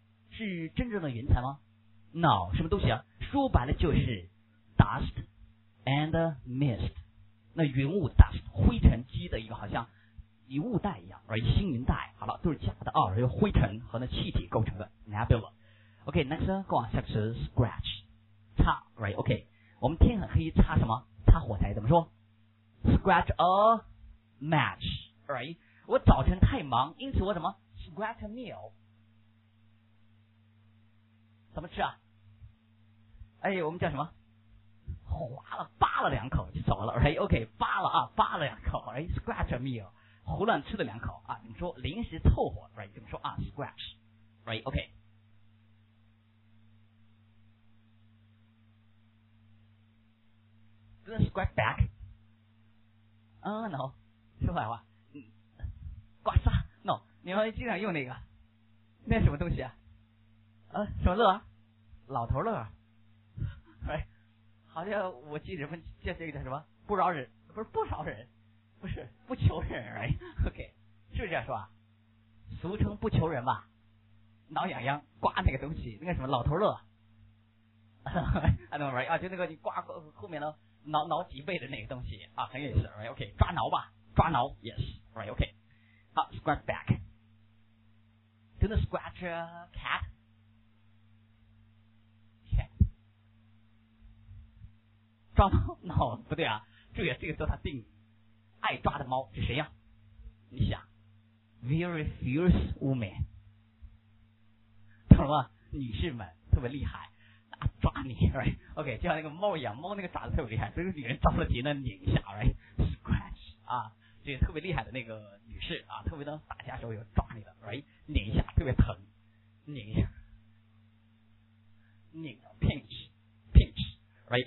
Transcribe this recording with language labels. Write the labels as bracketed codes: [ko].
[zh] 是真正的云彩吗？No, 什么东西啊？说白了就是 [en] dust and mist, [zh] 那云雾 dust, 灰尘积的一个好像一雾带一样，而星云带，好了，都是假的啊，由灰尘和那气体构成的 nebula。 [en] OK, next, go on, next is scratch, 擦 right, OK, [zh] 我们天很黑擦什么？擦火柴，怎么说？ [en] Scratch a match, right? [zh] 我早晨太忙，因此我怎么 [en] scratch a meal? [zh] 怎么吃啊？哎，我们叫什么？划了，扒了两口就走了。哎 ，OK, 扒了啊，扒了两口。哎 ， [en] scratch a meal, [zh] 胡乱吃了两口啊。你们说临时凑合 ，right? 怎么说啊 ？scratch, right? [en] OK, didn't scratch back? [zh] No, 说坏话。刮痧 ？No, 你们经常用那个，那什么东西啊？啊，什么乐、啊？老头乐、啊？哎，好像我记得人们叫这个叫什么？不饶人，不是不饶人，不是不求人，哎 ，OK, 是不是这样说啊？俗称不求人吧？挠痒痒，刮那个东西，那个什么老头乐 ？ [en] I don't know, [zh] 啊，就那个你刮后面的挠挠脊背的那个东西啊，很有意思 ，Right? OK, 抓挠吧，抓挠 ，Yes, Right? [en] OK. Scratch back. Didn't scratch a cat? Cat. [zh] 抓猫 ？No, 不对啊，注意这个做它定语。爱抓的猫是谁呀、啊？你想 [en] ，very fierce woman. [zh] 懂了吗？女士们特别厉害，啊、抓你 ，right? OK, 就像那个猫一样，猫那个爪子特别厉害，这个女人着了急呢，拧一下 ，right? Scratch 啊。这个特别厉害的那个女士啊，特别的打架时候有抓你的 ，right? 拧一下特别疼，拧一下，拧的 pinch，right?